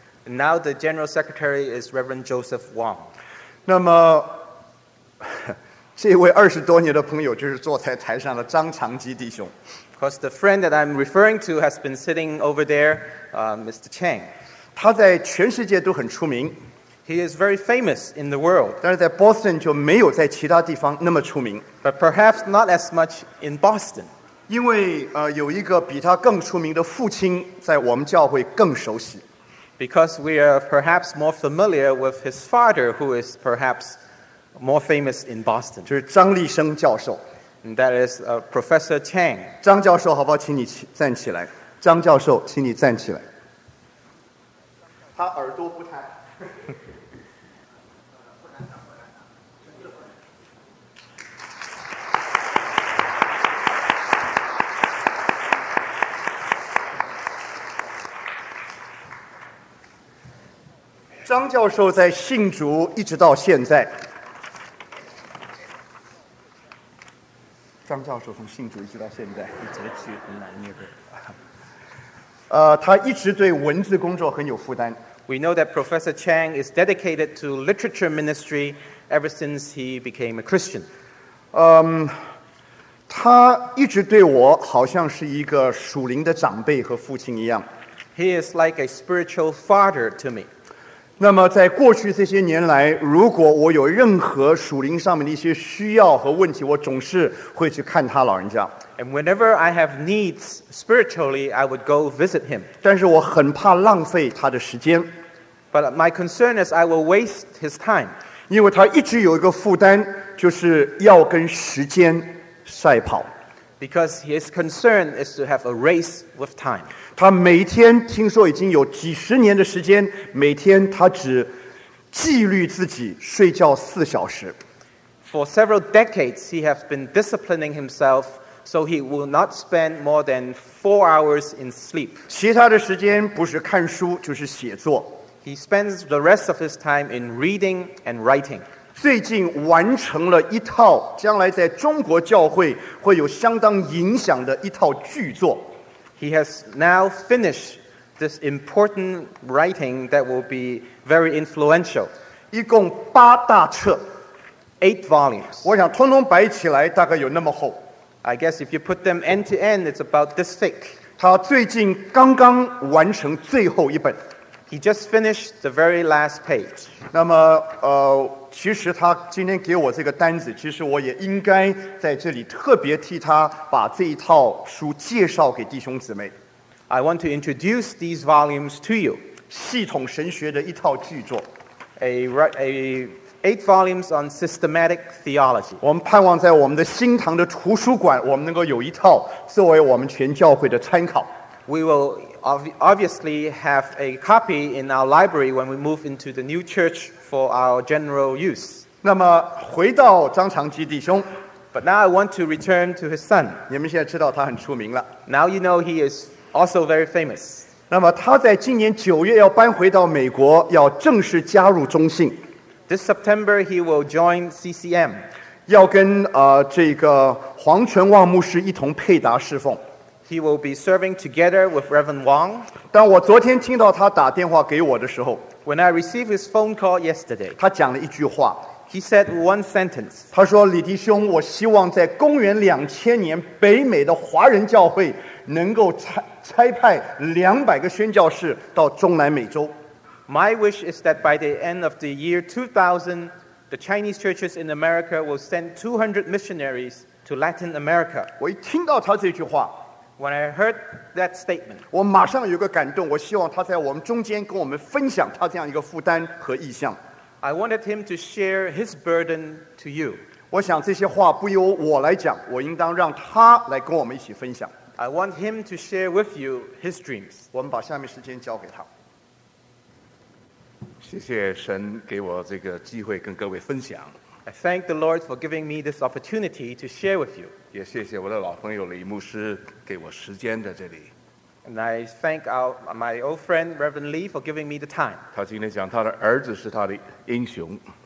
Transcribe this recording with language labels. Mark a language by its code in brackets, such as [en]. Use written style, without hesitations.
[en] Now the General Secretary is Reverend Joseph Wang. [zh] 那么这位二十多年的朋友就是坐在台上的张长基弟兄。 [en] Because the friend that I'm referring to has been sitting over there, Mr. Chang. [zh] 他在全世界都很出名。 [en] He is very famous in the world. [zh] 但是在 Boston 就没有在其他地方那么出名。 [en] But perhaps not as much in Boston. [zh] 因为有一个比他更出名的父亲在我们教会更熟悉。 [en] Because we are perhaps more familiar with his father, who is perhaps more famous in Boston. [zh] 就是张立生教授。 [en] And that is Professor Chang. [zh] 张教授，好不好？请你站起来。张教授，请你站起来。他耳朵不太。张教授在信主一直到现在。张教授从信主一直到现在，哲学很难那个。他一直对文字工作很有负担。 [en] We know that Professor Chang is dedicated to literature ministry ever since he became a Christian. [zh] 他一直对我好像是一个属灵的长辈和父亲一样。 [en] He is like a spiritual father to me. [zh] 那么在过去这些年来，如果我有任何属灵上面的一些需要和问题，我总是会去看他老人家。 [en] And whenever I have needs spiritually, I would go visit him. [zh] 但是我很怕浪费他的时间。 [en] But my concern is I will waste his time. [zh] 因为他一直有一个负担，就是要跟时间赛跑。 [en] Because his concern is to have a race with time. [zh] 他每天听说已经有几十年的时间，每天他只纪律自己睡觉四小时。 [en] For several decades, he has been disciplining himself so he will not spend more than 4 hours in sleep. [zh] 其他的时间不是看书就是写作。 [en] He spends the rest of his time in reading and writing. [zh] 最近完成了一套将来在中国教会会有相当影响的一套巨作。 [en] He has now finished this important writing that will be very influential. [zh] 一共八大册。 [en] 8 volumes. [zh] 我想通通摆起来大概有那么厚。 [en] I guess if you put them end to end, it's about this thick. [zh] 他最近刚刚完成最后一本。 [en] He just finished the very last page. [zh] 那么其实他今天给我这个单子，其实我也应该在这里特别替他把这一套书介绍给弟兄姊妹。 [en] I want to introduce these volumes to you. [zh] 系统神学的一套巨作。 [en] 8 volumes on systematic theology. [zh] 我们盼望在我们的新堂的图书馆，我们能够有一套作为我们全教会的参考。 [en] We will obviously have a copy in our library when we move into the new church. For our general use. [zh] 那么回到张长基弟兄。 [en] But now I want to return to his son. [zh] 你们现在知道他很出名了。 [en] Now you know he is also very famous. [zh] 那么他在今年九月要搬回到美国，要正式加入中信。 [en] This September he will join CCM. [zh] 要跟这个黄纯旺牧师一同配搭侍奉。 [en] He will be serving together with Reverend Wang. [zh] 当我昨天听到他打电话给我的时候。 [en] When I received his phone call yesterday, [zh] 他讲了一句话。 [en] He said one sentence. [zh] 他说：“李弟兄，我希望在公元2000年，北美的华人教会能够差派200个宣教士到中南美洲。 [en] My wish is that by the end of the year 2000, the Chinese churches in America will send 200 missionaries to Latin America. [zh] 我一听到他这句话。 [en] When I heard that statement, [zh] 我马上有个感动，我希望他在我们中间跟我们分享他这样一个负担和意向。 [en] I wanted him to share his burden to you. [zh] 我想这些话不由我来讲，我应当让他来跟我们一起分享。 [en] I want him to share with you his dreams. [zh] 我们把下面时间交给他。谢谢神给我这个机会跟各位分享。 [en] I thank the Lord for giving me this opportunity to share with you. [zh] 也谢谢我的老朋友李牧师给我时间在这里。 [en] And I thank my old friend Reverend Lee for giving me the time. [zh] 他今天讲他的儿子是他的英雄。